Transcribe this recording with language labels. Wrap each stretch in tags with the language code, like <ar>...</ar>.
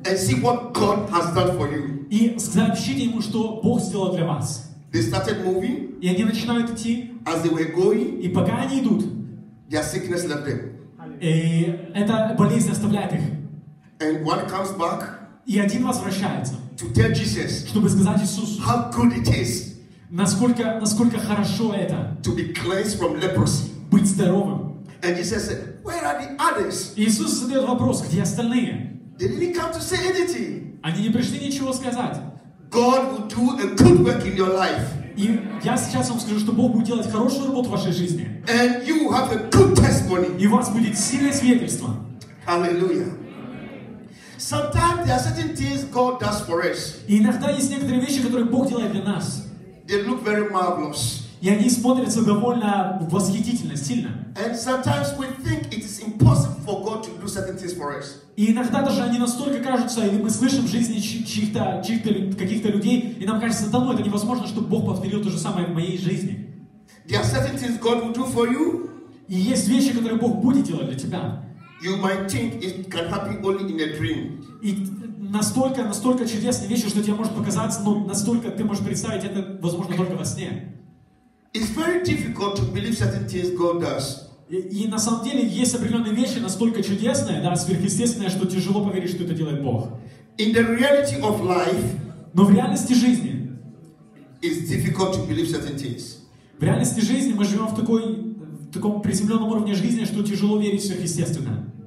<en>And see what God has done for you.</en> <ru>И сообщите ему, что Бог сделал для вас.</ru> <en>They started moving.</en> <ru>И они начинают идти.</ru> <en>As they were going.</en> <ru>И пока они идут.</ru> <en>Their sickness left them.</en> <ru>И эта болезнь оставляет их.</ru> <en>And one comes back.</en> <ru>И один возвращается.</ru> <en>To tell Jesus.</en> <ru>Чтобы сказать Иисусу.</ru> <en>How good it is.</en> <ru>Насколько хорошо это.</ru> <en>To be cleansed from leprosy.</en> <ru>Быть здоровым.</ru> <en>And Jesus said, "Where are the others?"</en> <ru>Иисус задает вопрос, где остальные?</ru> <en>They didn't come to say anything.</en> <ru>Они не пришли ничего сказать.</ru> <en>God will do a good work in your life.</en> <ru>И я сейчас вам скажу, что Бог будет делать хорошую работу в вашей жизни.</ru> <en>And you have a good testimony.</en> <ru>И у вас будет сильное свидетельство.</ru> <en>Hallelujah. Sometimes there are certain things God does for us.</en> <ru>И иногда есть некоторые вещи, которые Бог делает для нас.</ru> <en>They look very marvelous.</en> <ru>И они смотрятся довольно восхитительно, сильно.</ru> <en>And sometimes we think it is impossible for God to do certain things for us.</en> <ru>И иногда даже они настолько кажутся, или мы слышим в жизни чьих-то каких-то людей, и нам кажется, да ну, это невозможно, чтобы Бог повторил то же самое в моей жизни.</ru> <en>There are certain things God will do for you.</en> <ru>И есть вещи, которые Бог будет делать для тебя.</ru> <en>You might think it can happen only in a dream.</en> <ru>И настолько чудесные вещи, что тебе может показаться, но настолько ты можешь представить это, возможно, только во сне.</ru> <en>It's very difficult to believe certain things God does.</en> <ru>И на самом деле есть определенные вещи настолько чудесные, да, сверхъестественные, что тяжело поверить, что это делает Бог.</ru> <en>In the reality of life,</en> <ru>но в реальности жизни,</ru> <en>it's difficult to believe certain things.</en> <ru>В реальности жизни мы живем в таком приземленном уровне жизни, что тяжело верить в сверхъестественное.</ru>